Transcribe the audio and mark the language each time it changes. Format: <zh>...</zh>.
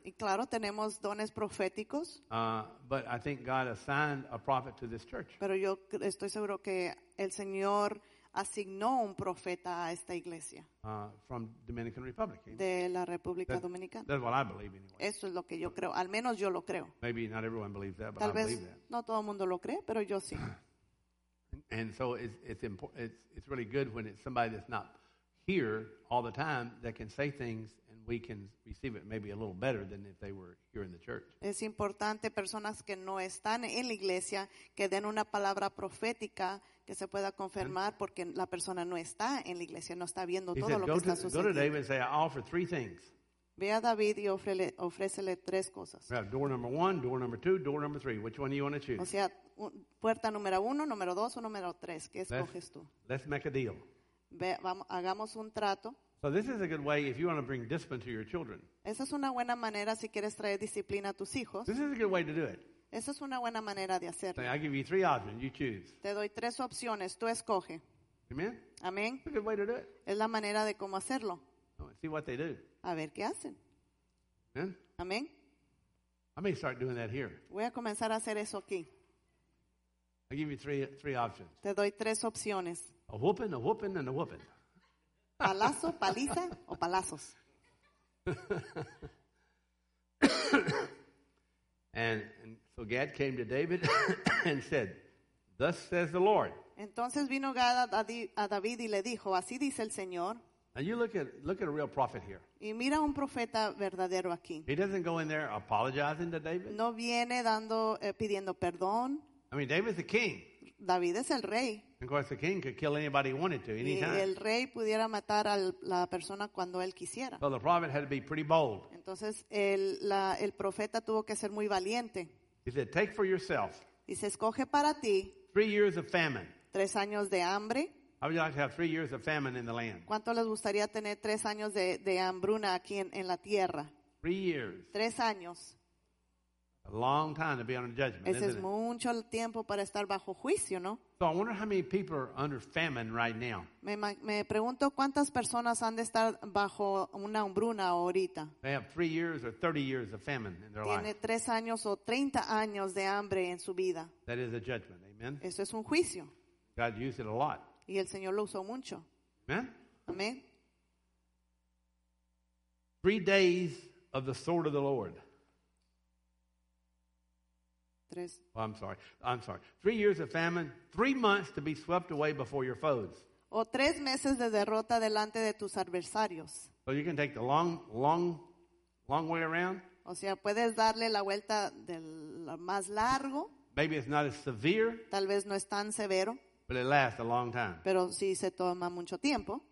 <es>Y claro, tenemos dones proféticos.</es> <en>But I think God assigned a prophet to this church.</en> <es>Pero yo estoy seguro que el Señor asignó un profeta a esta iglesia.</es> <en>From Dominican Republic.</en> <es>De la República Dominicana.</es> <en>That's what I believe anyway.</en> <es>Eso es lo que yo creo. Al menos yo lo creo.</es> <en>Maybe not everyone believes that, but</en> <es>tal</es> <en>I</en> <es>vez</es> <en>believe that.</en> <es>No todo el mundo lo cree, pero yo sí.</es> <en>And so it's really good when it's somebody that's not here all the time that can say things and we can receive it maybe a little better than if they were here in the church.</en> <es>Es importante personas que no están en la iglesia que den una palabra profética que se pueda confirmar porque la persona no está en la iglesia, no está viendo todo lo que está sucediendo.</es> <en>Go to David and say, "I offer three things."</en> <es>Ve a David y ofrécele tres cosas.</es> <en>We have door number one, door number two, door number three. Which one do you want to choose?</en> <es>O sea, puerta número uno, número dos o número tres. ¿Qué escoges tú?</es> <en>Let's make a deal.</en> <es>Hagamos un trato.</es> <en>So this is a good way if you want to bring discipline to your children.</en> <es>Esa es una buena manera si quieres traer disciplina a tus hijos.</es> <en>This is a good way to do it.</en> <es>Esa es una buena manera de hacerlo.</es> <en>I give you three options, you choose.</en> <es>Te doy tres opciones, tú escoge.</es> <en>Amen.</en> <es>Amen.</es> <en>It's a good way to do it.</en> <es>Es la manera de cómo hacerlo.</es> <en>See what they do.</en> <es>A ver qué hacen.</es> <en>Amen.</en> <es>Amen.</es> <en>I may start doing that here.</en> <es>Voy a comenzar a hacer eso aquí.</es> <en>I give you three options.</en> <es>Te doy tres opciones.</es> <en>A whooping, a whooping, and a whooping.</en> <es>Palazo, paliza, o palazos.</es> <en>And so Gad came to David and said, "Thus says the Lord."</en> <es>Entonces vino Gad a David y le dijo, "Así dice el Señor."</es> <en>And you look at a real prophet here.</en> <es>Y mira un profeta verdadero aquí.</es> <en>He doesn't go in there apologizing to David.</en> <es>No viene dando, pidiendo perdón.</es> <en>I mean, David's the king.</en> <es>David es el rey.</es> <en>Of course, the king could kill anybody he wanted to, anytime.</en> <es>Y el rey pudiera matar a la persona cuando él quisiera.</es> <en>So the prophet had to be pretty bold.</en> <es>Entonces, el profeta tuvo que ser muy valiente.</es> <en>He said, take for yourself.</en> <es>Y se escoge para ti.</es> <en>3 years of famine.</en> <es>3 años de hambre.</es> <en>How would you like to have 3 years of famine in the land?</en> <es>¿Cuánto les gustaría tener 3 años de hambruna aquí en la tierra?</es> <en>3 years.</en> <es>3 años.</es> <en>A long time to be under judgment,</en> <es>ese es mucho tiempo para estar bajo juicio, ¿no?</es> <en>So I wonder how many people are under famine right now.</en> <es>Me pregunto cuántas personas han de estar bajo una hambruna ahorita.</es> <en>They have 3 years or 30 years of famine in their life.</en> <es>Tiene 3 años o 30 años de hambre en su vida.</es> <en>That is a judgment, amen.</en> <es>Eso es un juicio.</es> <en>God used it a lot.</en> <es>Y el Señor lo usó mucho.</es> <en>Amen.</en> <es>Amen.</es> <en>3 days of the sword of the Lord. Oh, I'm sorry. 3 years of famine, 3 months to be swept away before your foes.</en> <es>O 3 meses de derrota delante de tus adversarios.</es> <en>So you can take the long way around.</en> <es>O sea, puedes darle la vuelta del más largo.</es> <en>Maybe it's not as severe.</en> <es>Tal vez no es tan severo.</es> <en>But it lasts a long time.</en> <es>Pero sí se toma mucho tiempo.</es>